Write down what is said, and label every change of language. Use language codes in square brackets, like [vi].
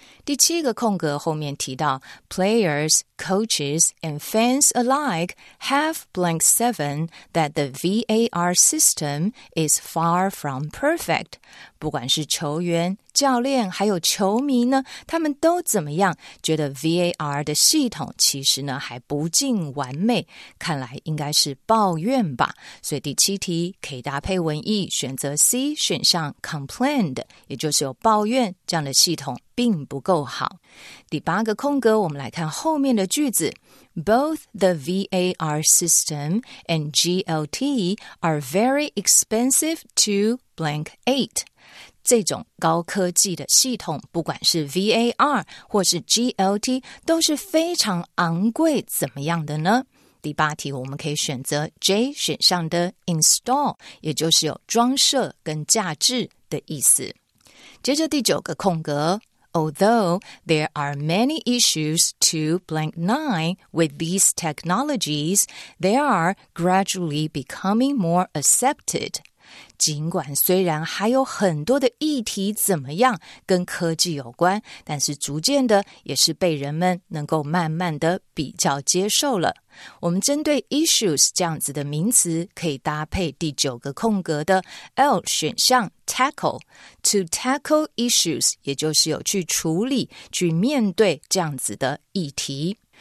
[zh] 第七个空格后面提到 [en] players, coaches, and fans alike have blank seven that the VAR system is far from perfect. [zh] 不管是球员、教练还有球迷呢，他们都怎么样觉得 VAR 的系统其实呢还不尽完美，看来应该是抱怨吧。所以第七题可以搭配文意选择 C 选项 complained, 也就是有抱怨这样的系统并不够好。第八个空格我们来看后面的句子， [en] Both the VAR system and GLT are very expensive to blank eight. [zh] 这种高科技的系统，不管是 VAR 或是 GLT 都是非常昂贵怎么样的呢？第八题我们可以选择 J 选项的 install, 也就是有装设跟架置的意思。接着第九个空格， [en] Although there are many issues to blank nine with these technologies, they are gradually becoming more accepted. [zh] 尽管虽然还有很多的议题怎么样跟科技有关，但是逐渐的也是被人们能够慢慢的比较接受了。我们针对 issues 这样子的名词，可以搭配第九个空格的 L 选项 tackle, [en] to tackle issues, [zh] 也就是有去处理、去面对这样子的议题。